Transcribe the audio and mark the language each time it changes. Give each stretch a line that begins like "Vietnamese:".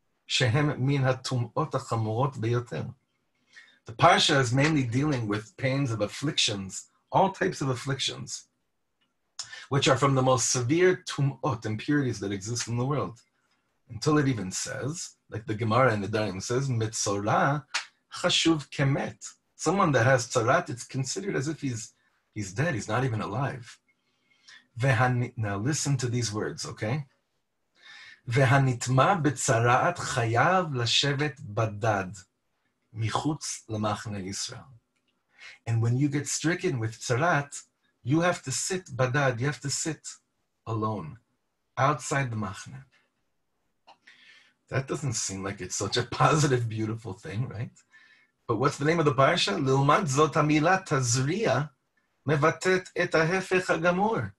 English: The Parsha is mainly dealing with pains of afflictions, all types of afflictions, which are from the most severe tum'ot, impurities that exist in the world. Until it even says, like the Gemara in the Nedarim says,
Hebrew: Mitzora chashuv kemet.
English: Someone that has tzarat, it's considered as if he's dead, he's not even alive. Now listen to these words, okay?
Hebrew: והנתמה בצרעת חייב לשבת בדד מחוץ למחנה ישראל.
English: And when you get stricken with tzarat, you have to sit badad, you have to sit alone, outside the machne. That doesn't seem like it's such a positive, beautiful thing, right? But what's the name of the parasha?
Hebrew: לעומת זאת המילה תזריה מבטאת את ההפך הגמור.